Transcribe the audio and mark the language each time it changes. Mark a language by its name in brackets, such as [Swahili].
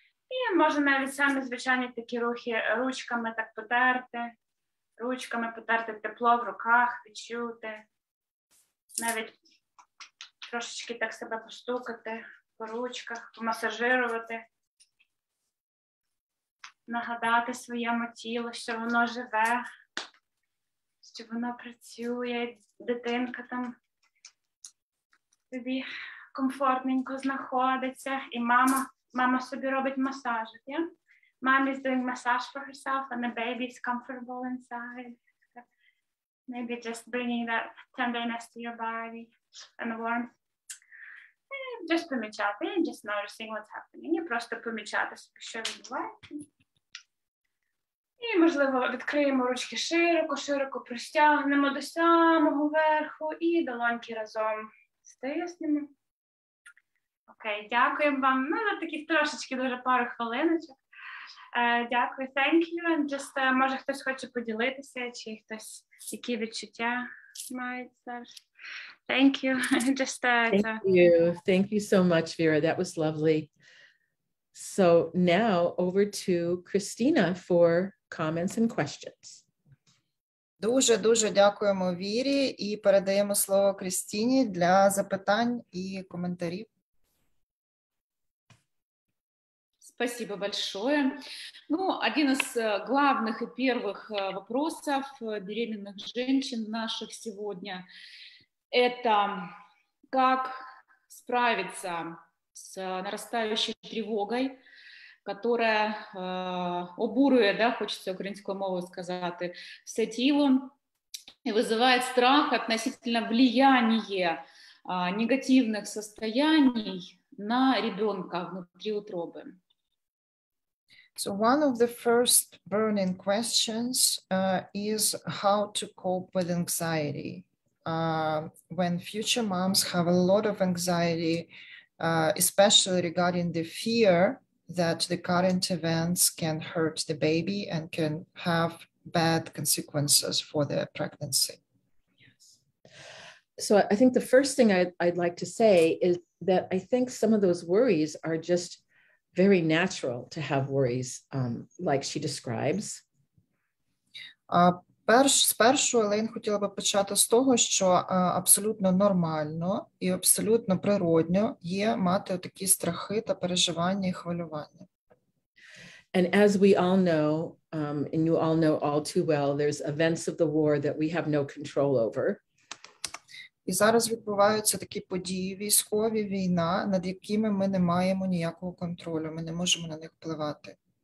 [Ukrainian] І можна навіть самі звичайні такі рухи ручками так потерти, ручками потерти тепло в руках, відчути, навіть трошечки так себе постукати по ручках, помасажирувати, нагадати своєму тілу, що воно живе, що воно працює, дитинка там тобі комфортненько знаходиться, і мама. Мама собі робить масаж, так? [English] Yeah? Mommy's doing massage for herself and the baby's comfortable inside. Maybe just bringing that tenderness to your body and warmth. And just помічати, and just noticing what's happening. [Ukrainian] І просто помічати собі, що відбувається. І, можливо, відкриємо ручки широко-широко, простягнемо до самого верху і долоньки разом стиснемо. Окей, дякуємо вам. Ну, на таких трошечки дуже пару хвилиночок. Дякую, [English] thank you. And just, [Ukrainian] може, хтось хоче поділитися, чи хтось, які відчуття мають зараз. [English] Thank you. Just, Thank you so much, Vera. That was lovely. So now over to Christina for comments and questions. [Ukrainian] Дуже-дуже дякуємо Вірі і передаємо слово Кристині для запитань і коментарів. [Russian] Спасибо большое. Ну, один из главных и первых вопросов беременных женщин наших сегодня – это как справиться с нарастающей тревогой, которая обурює, да, хочется украинскую мову сказать, все тело, и вызывает страх относительно влияния негативных состояний на ребенка внутри утробы. [English] So one of the first burning questions is how to cope with anxiety when future moms have a lot of anxiety, especially regarding the fear that the current events can hurt the baby and can have bad consequences for the pregnancy. So I think the first thing I'd like to say is that I think some of those worries are just very natural to have worries, like she describes. [Ukrainian] Спершу Елейн хотіла би почати з того, що абсолютно нормально і абсолютно природньо є мати такі страхи та переживання і хвилювання. [English] And as we all know, and you all know all too well, there's events of the war that we have no control over. [Ukrainian] І зараз відбуваються такі події, військові, війна, над якими ми не маємо ніякого контролю, ми не можемо на них впливати.